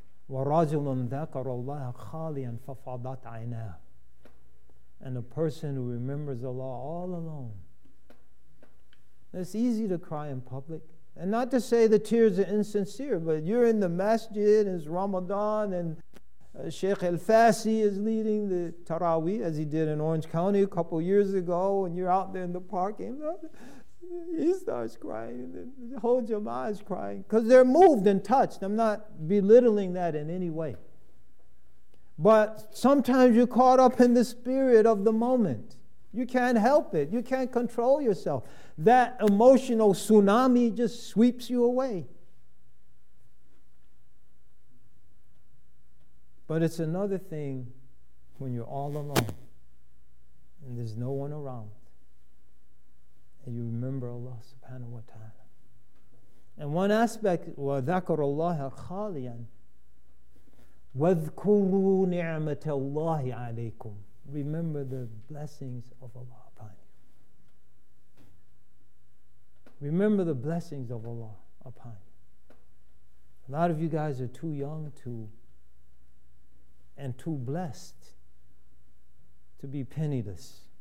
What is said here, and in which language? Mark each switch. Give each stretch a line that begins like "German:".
Arabic: ورجل ذكر الله خاليا ففاضت عيناه.
English: And a person who remembers Allah all alone. It's easy to cry in public. And not to say the tears are insincere, but you're in the masjid, it's Ramadan, and Sheikh Al-Fassi is leading the Taraweeh, as he did in Orange County a couple years ago, and you're out there in the park, and he starts crying, and the whole Jama'ah is crying, because they're moved and touched. I'm not belittling that in any way. But sometimes you're caught up in the spirit of the moment. You can't help it. You can't control yourself. That emotional tsunami just sweeps you away. But it's another thing when you're all alone and there's no one around and you remember Allah subhanahu wa ta'ala. And one aspect,
Arabic: وَذَكَرَ اللَّهَ خَالِيًا وَذْكُرُوا نِعْمَةَ اللَّهِ عَلَيْكُمْ.
English: Remember the blessings of Allah upon you. Remember the blessings of Allah upon you. A lot of you guys are too young too blessed to be penniless.